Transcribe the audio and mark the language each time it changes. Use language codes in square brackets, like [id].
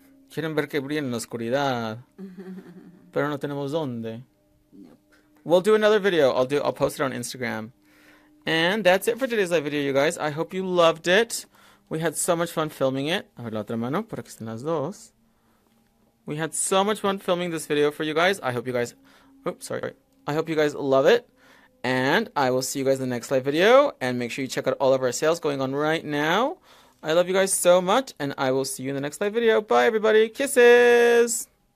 [es] Quieren ver que brilla en la oscuridad. Pero no tenemos dónde. [en] Nope. We'll do another video. I'll post it on Instagram. And that's it for today's live video, you guys. I hope you loved it. We had so much fun filming it. [es] A ver la otra mano, por aquí están las dos. [en] We had so much fun filming this video for you guys. I hope you guys love it. And I will see you guys in the next live video. And make sure you check out all of our sales going on right now. I love you guys so much. And I will see you in the next live video. Bye, everybody. Kisses.